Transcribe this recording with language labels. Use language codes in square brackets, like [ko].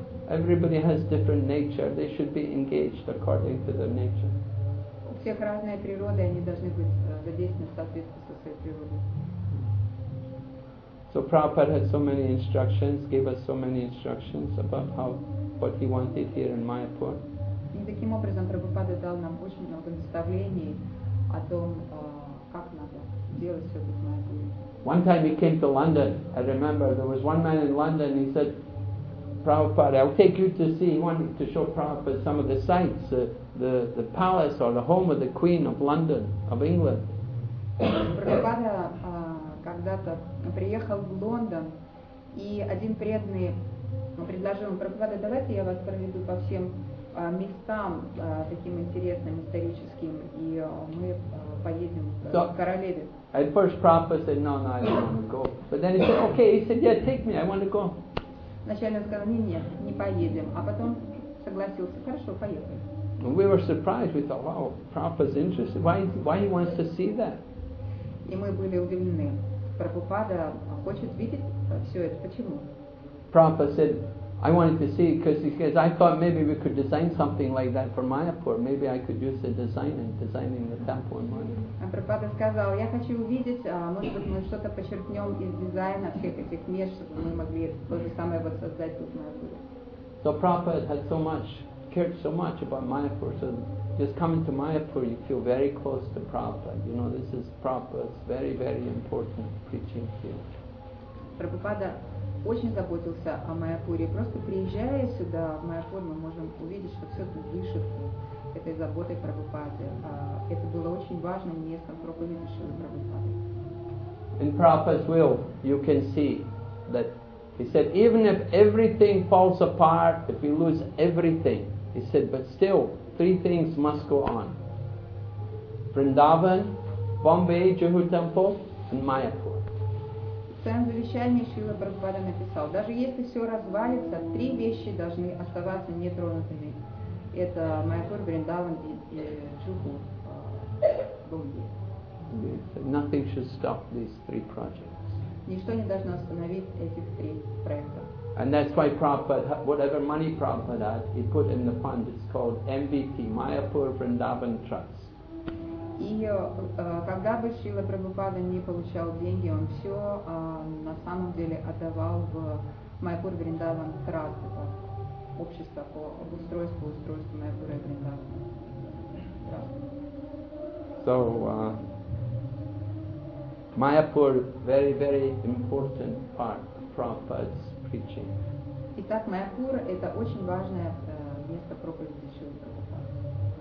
[en] Everybody has different nature. They should be engaged according to their nature. [ru] У всех разная природа, они должны быть задействованы в соответствии со своей природой. [en] So Prabhupada had so many instructions, gave us so many instructions about how what he wanted here in Mayapur. [ru] И таким образом Прабхупада дал нам очень много наставлений о том, как надо делать все это в Майяпуре. [en] One time he came to London, I remember, there was one man in London, he said, Prabhupada, I'll take you to see, he wanted to show Prabhupada some of the sites, the palace or the home of the Queen of London, of England. [ru] Прабхупада когда-то приехал в Лондон, и один преданный предложил ему: Прабхупада, давайте я вас проведу по всем местам таким интересным историческим, и мы поедем в Королеве. [en] At first Prabhupada said, no, no, I don't want to go. But then he said, okay, he said, yeah, take me, I want to go. [ru] Вначале он сказал, нет, не поедем, а потом согласился, хорошо, поехали. [en] And we were surprised, we thought, wow, Prabhupada's interested, why he wants to see that? [ru] И мы были удивлены, Прабхупада хочет видеть все это, почему? [en] Prabhupada said, I wanted to see it because I thought maybe we could design something like that for Mayapur. Maybe I could use the design in designing the temple in Mayapur. [ru] Prabhupada сказал, я хочу увидеть, может быть, мы что-то почерпнем из дизайна всех этих мест, чтобы мы могли то же самое воссоздать тут в Майяпуре. [en] So Prabhupada had so much, cared so much about Mayapur. So just coming to Mayapur, you feel very close to Prabhupada. You know, this is Prabhupada's very, very important preaching field. [ru] Prabhupada очень заботился о Майяпуре. Просто приезжая сюда, в Майяпур, мы можем увидеть, что все тут дышит этой заботой Прабхупады. Это было очень важным местом проповеди Шрилы Прабхупады. [en] In Prabhupada's will, you can see that he said, even if everything falls apart, if we lose everything, he said, but still, three things must go on. Vrindavan, Bombay, Juhu Temple, and Mayapur. [ru] В своем завещании Шрила Прабхупада написал, даже если все развалится, три вещи должны оставаться нетронутыми. Это Майяпур, Вриндаван и Джуху Бомбей. [en] Nothing should stop these three projects. [ru] Ничто не должно остановить этих три проекта. [en] And that's why Prabhupada, whatever money Prabhupada had, he put in the fund. It's called MVT, Mayapur Vrindavan Trust. [ru] И когда бы Шрила Прабхупада не получал деньги, он все на самом деле отдавал в Майяпур Вриндаван Траст, это общество по обустройству устройства Майяпура Вриндавана Траст. [en] So Mayapur very very important part of Prabhupada's preaching. [ru] Итак, Майяпур это очень важное место проповеди Шрилы Прабхупады.